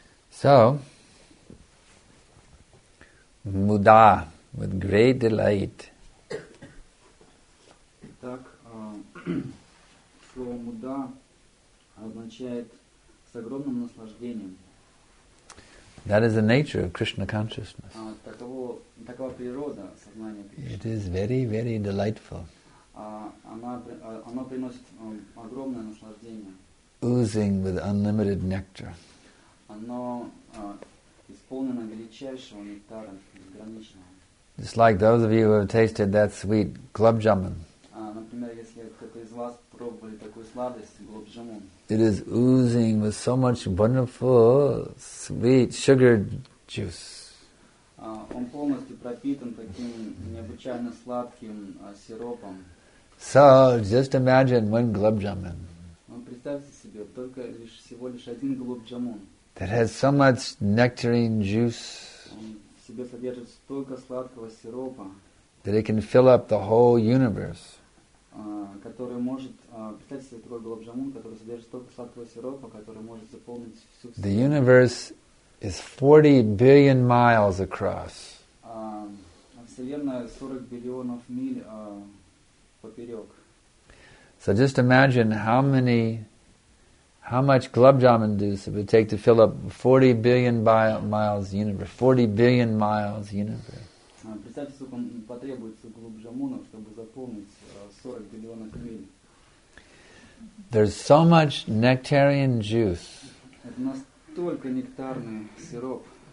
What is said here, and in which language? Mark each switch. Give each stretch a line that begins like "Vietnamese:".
English: So, Muda, with great delight.
Russian: Итак, слово Муда означает с огромным наслаждением.
English: That is the nature of Krishna consciousness.
Russian: Такова природа сознания Кришны.
English: It is very, very delightful.
Russian: Оно приносит огромное наслаждение.
English: Oozing with unlimited nectar.
Russian: Оно исполнено величайшего нектара, безграничного.
English: Just like those of you who have tasted that sweet club jamun.
Russian: Например, если кто-то из вас пробовали такую сладость, club jamun.
English: It is oozing with so much wonderful, sweet sugar juice.
Russian: Он полностью пропитан таким необычайно сладким сиропом.
English: So, just imagine one gulab jamun.
Russian: Представьте себе, только лишь всего лишь один gulab jamun.
English: That has so much nectarine juice.
Russian: Он в себе содержит столько сладкого сиропа.
English: That it can fill up the whole universe.
Russian: Который может, представьте себе такой gulab jamun, который содержит столько сладкого сиропа, который может заполнить всю вселенную.
English: The universe is 40 billion miles across.
Russian: Вселенная 40 миллионов миль поперек.
English: So just imagine how much gulab jamun juice it would take to fill up 40 billion miles universe. 40 billion miles universe.
Russian: Представьте, сколько потребуется gulab jamun, чтобы заполнить 40 миллионов миль.
English: There's so much nectarian juice.
Russian: Только нектарный сироп.